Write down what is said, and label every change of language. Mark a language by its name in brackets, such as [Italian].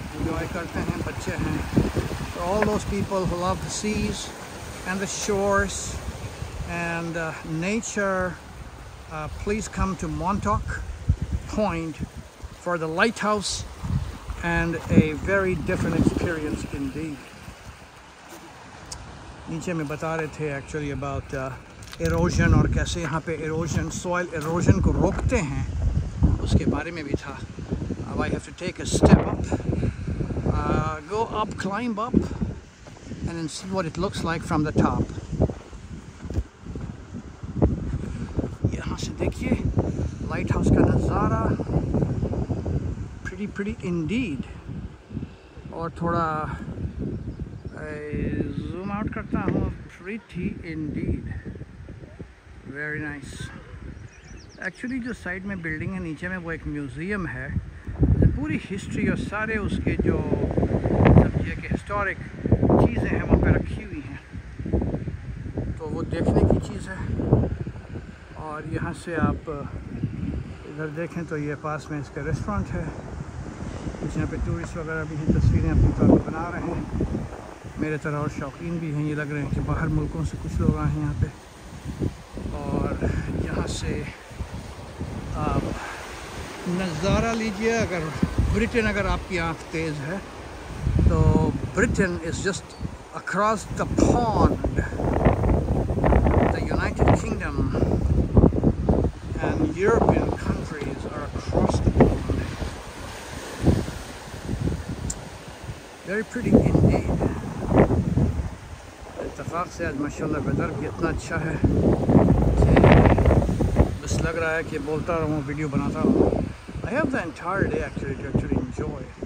[English] All those people who love the seas and the shores and nature, please come to Montauk Point for the lighthouse and a very different experience indeed. [Hindi] नीचे में बता रहे थे [English] actually about erosion [Hindi] और कैसे यहाँ पे erosion, soil erosion को रोकते हैं उसके बारे में भी था. [English] I have to take a step up, go up, climb up and then see what it looks like from the top. [Hindi] Yahan se dekhiye lighthouse ka nazara, [English] pretty pretty indeed. [Hindi] Aur thoda zoom out karta hu, [English] pretty indeed, very nice. [Hindi] Actually jo side mein building hai niche mein wo ek museum hai, the puri history aur sare uske jo sabjiye ke historic चीज़ें हैं वहाँ पर रखी हुई हैं, तो वो देखने की चीज़ है. और यहाँ से आप इधर देखें तो ये पास में इसका रेस्टोरेंट है. कुछ यहाँ पे टूरिस्ट वगैरह भी हैं, तस्वीरें अपनी तरह बना रहे हैं. मेरे तरह और शौकीन भी हैं, ये लग रहे हैं कि बाहर मुल्कों से कुछ लोग आए हैं यहाँ पे. और यहाँ से आप नज़ारा लीजिए. अगर ब्रिटेन, अगर आपकी आँख तेज़ है तो [English] Britain is just across the pond, the United Kingdom and European countries are across the pond. Very pretty indeed. [Hindi] इत्तेफाक से आज माशाल्लाह वेदर भी इतना अच्छा है कि बस लग रहा है कि बोलता रहूँ, वीडियो बनाता रहूँ. [English] I have the entire day actually to actually enjoy.